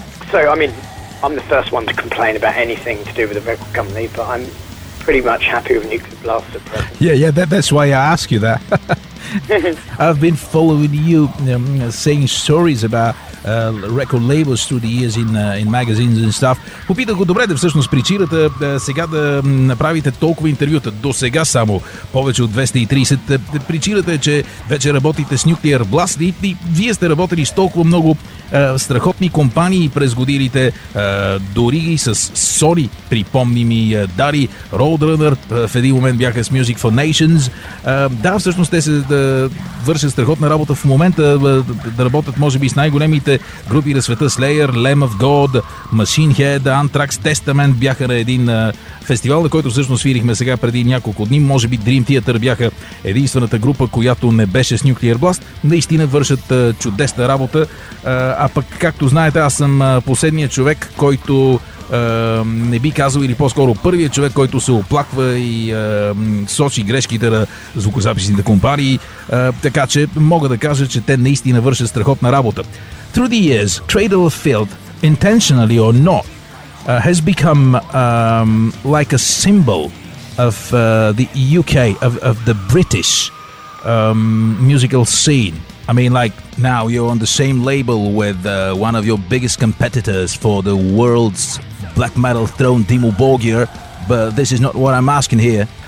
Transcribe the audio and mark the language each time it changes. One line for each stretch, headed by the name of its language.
English: So, I mean, I'm the first one to complain about anything to do with the record company, but I'm pretty much happy with Nuclear Blast at present. Yeah, that's why I ask you that. I've been following you, saying stories about record labels through the years in magazines and stuff.
Bulgarian: Попитах го, добре, де всъщност причината сега да направите толкова интервюта, до сега само повече от 230. Причината е, че вече работите с Nuclear Blast и вие сте работили с толкова много страхотни компании през годините, дори и с Sony, припомни ми, Дари, Roadrunner, в един момент бяха с Music for Nations. Да, всъщност те се вършат страхотна работа в момента, да работят може би с най-големите групи на света, Slayer, Lamb of God, Machine Head, Anthrax, Testament бяха на един фестивал, на който всъщност свирихме сега преди няколко дни. Може би Dream Theater бяха единствената група, която не беше с Nuclear Blast. Наистина вършат чудесна работа. А пък, както знаете, аз съм последният човек, който не би казал, или по-скоро първият човек, който се оплаква и сочи грешките на звукозаписните компании. Така че мога да кажа, че те наистина вършат страхотна работа.
English: Through the years, Cradle of Filth, intentionally or not, has become like a symbol of the UK, of the British musical scene. I mean, like, now you're on the same label with one of your biggest competitors for the world's black metal throne, Dimmu Borgir, but this is not what I'm asking here.